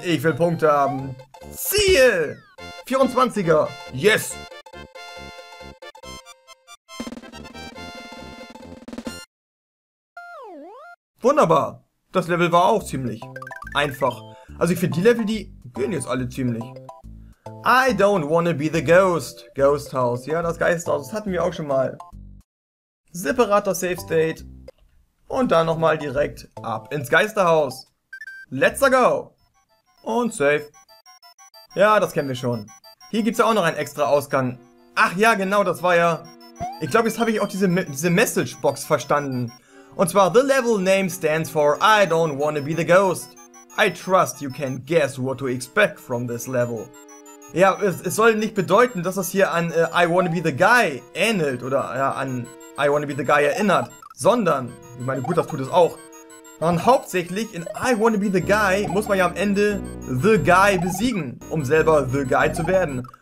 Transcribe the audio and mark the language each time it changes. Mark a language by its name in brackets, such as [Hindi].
[German] Ich will Punkte haben. Ziel! 24er. Yes! Wunderbar. Das Level war auch ziemlich einfach. Also ich finde die Level, die gehen jetzt alle ziemlich. [English] I don't wanna be the ghost. [German] Ghost House. Ja, das Geisterhaus. Das hatten wir auch schon mal. Separator Safe State. Und dann nochmal direkt ab ins Geisterhaus. [English] Let's go. [German] Und safe. Ja, das kennen wir schon. Hier gibt's ja auch noch einen extra Ausgang. Ach ja, genau, das war ja... Ich glaube, jetzt habe ich auch diese Message-Box verstanden. Und zwar, [English] the level name stands for I don't wanna be the ghost. I trust you can guess what to expect from this level. [German] Ja, es soll nicht bedeuten, dass das hier an I wanna be the guy ähnelt oder an I wanna be the guy erinnert, sondern, ich meine, gut, das tut es auch, sondern hauptsächlich in I wanna be the guy muss man ja am Ende the guy besiegen, um selber the guy zu werden.